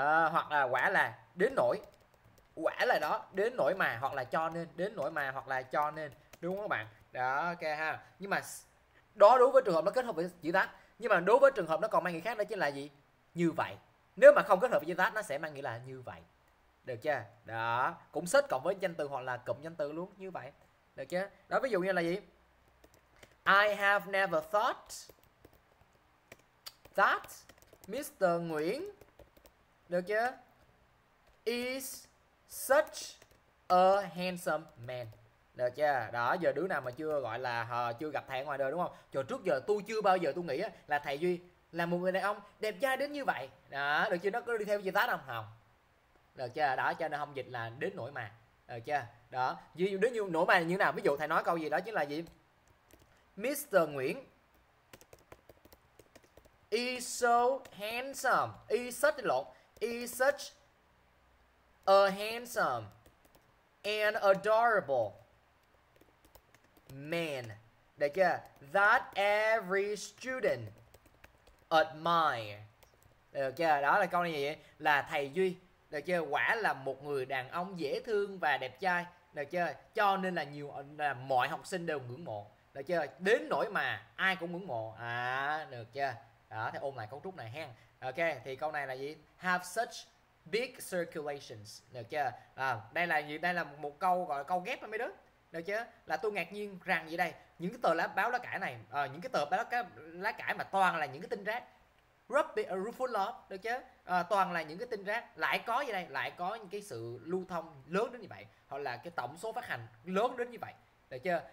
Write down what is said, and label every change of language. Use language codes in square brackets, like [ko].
[vi] Hoặc là quả là đến nỗi, quả là đó, đến nỗi mà, hoặc là cho nên, đến nỗi mà hoặc là cho nên, đúng không các bạn? Đó, ok ha. Nhưng mà đó đối với trường hợp nó kết hợp với chữ that. Nhưng mà đối với trường hợp nó còn mang nghĩa khác đó chính là gì? Như vậy. Nếu mà không kết hợp với chữ that nó sẽ mang nghĩa là như vậy. Được chưa? Đó, cũng search cộng với danh từ hoặc là cụm danh từ luôn, như vậy. Được chưa? Đó ví dụ như là gì? [en] I have never thought that Mr. Nguyễn, [vi] được chưa, [en] is such a handsome man. [vi] Được chưa? Đó, giờ đứa nào mà chưa gọi là chưa gặp thầy ngoài đời đúng không? Trời, trước giờ tôi chưa bao giờ tôi nghĩ là thầy Duy là một người đàn ông đẹp trai đến như vậy. Đó, được chưa? Nó có đi theo chữ tát không? Không. Được chưa? Đó, cho nên không dịch là đến nỗi mà. Được chưa? Đó, ví dụ đến như nỗi mà như nào? Ví dụ thầy nói câu gì đó chính là gì? [en] Mr. Nguyễn is so handsome. Is such, lộn. Is such a handsome and adorable man. [vi] Được chưa? [en] That every student admire. [vi] Được chưa? Đó là câu này gì? Là thầy Duy, được chưa? Quả là một người đàn ông dễ thương và đẹp trai. Được chưa? Cho nên là nhiều là mọi học sinh đều ngưỡng mộ. Được chưa? Đến nỗi mà ai cũng ngưỡng mộ. À, được chưa? Đó, thì ôm lại cấu trúc này hen. Ok, thì câu này là gì? [en] Have such big circulations. [vi] Được chưa? À, đây là gì? Đây là một câu gọi là câu ghép mấy đứa. Được chưa? Là tôi ngạc nhiên rằng gì đây? Những cái tờ lá báo lá cải này, những cái tờ báo lá cải mà toàn là những cái tin rác. [en] Rubbish full of, [vi] được chưa? Toàn là những cái tin rác. Lại có gì đây? Lại có những cái sự lưu thông lớn đến như vậy. Hoặc là cái tổng số phát hành lớn đến như vậy. Được chưa?